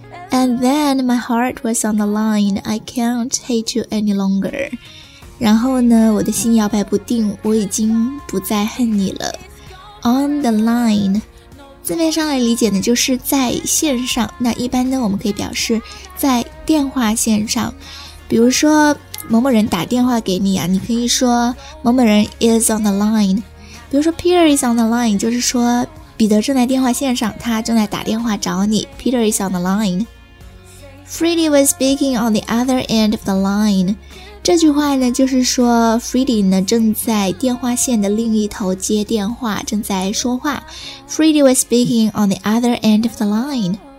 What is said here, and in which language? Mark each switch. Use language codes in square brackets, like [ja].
[en] And then my heart was on the line. I can't hate you any longer. [zh] 然后呢，我的心摇摆不定，我已经不再恨你了。 On the line， 字面上来理解呢，就是在线上。那一般呢，我们可以表示在电话线上。比如说某某人打电话给你啊，你可以说某某人 [en] is on the line。 [zh] 比如说 [en] Peter is on the line， [zh] 就是说彼得正在电话线上，他正在打电话找你。 [en] Peter is on the line。 Freddy was speaking on the other end of the line。 [zh] 这句话呢就是说 Freddy 呢正在电话线的另一头接电话，正在说话。 [en] Freddy was speaking on the other end of the line。